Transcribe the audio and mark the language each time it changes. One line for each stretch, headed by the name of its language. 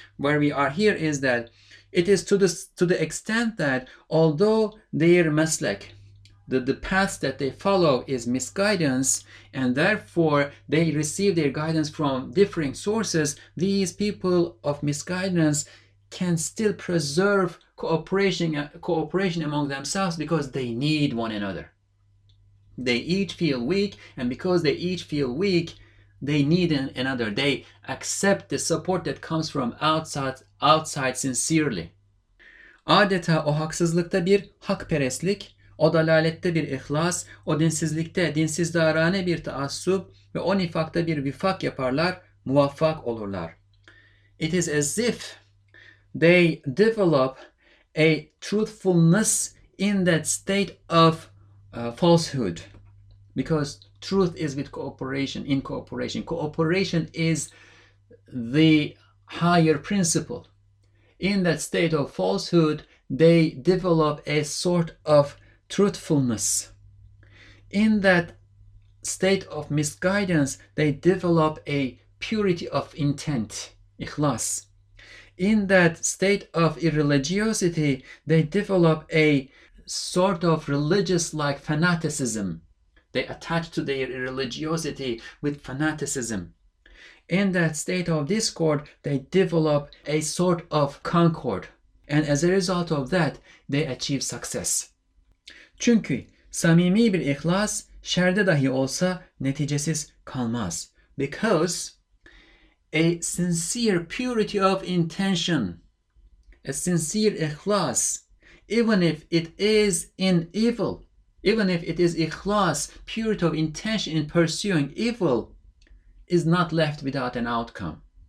English: Where we are here is that it is to the extent that although their maslek, the path that they follow is misguidance, and therefore they receive their guidance from differing sources, these people of misguidance can still preserve cooperation among themselves because they need one another. They each feel weak, and because they each feel weak, they need another. They accept the support that comes from outside sincerely.
Turkish: Adeta o haksızlıkta bir hakperestlik, o dalalette bir ihlas, o dinsizlikte dinsizdarane bir taassup ve o nifakta bir vifak yaparlar, muvaffak olurlar.
English: It is as if they develop a truthfulness in that state of falsehood. Because truth is with cooperation, in cooperation. Cooperation is the higher principle. In that state of falsehood, they develop a sort of truthfulness. In that state of misguidance, they develop a purity of intent, ikhlas. In that state of irreligiosity, they develop a sort of religious-like fanaticism. They attach to their irreligiosity with fanaticism. in that state of discord, they develop a sort of concord. And as a result of that, they achieve success.
Turkish: Çünkü samimi bir ihlas şerde dahi olsa neticesiz kalmaz.
English: Because a sincere purity of intention, a sincere ihlas, even if it is in evil, even if it is ikhlas, purity of intention in pursuing evil, is not left without an outcome.